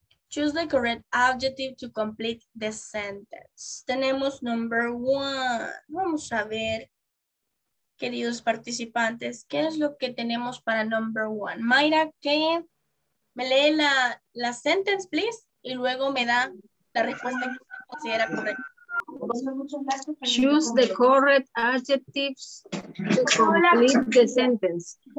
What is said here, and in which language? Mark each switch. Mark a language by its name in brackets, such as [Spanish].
[English] Choose the correct adjective to complete the sentence. [Spanish] Tenemos [English] number one. [Spanish] Vamos a ver, queridos participantes, ¿qué es lo que tenemos para [English] number one? [Spanish] Mayra, ¿qué? Me lee la sentence, please. Y luego me da la respuesta que usted considera correcta. [English] Choose the correct adjectives to complete the sentence.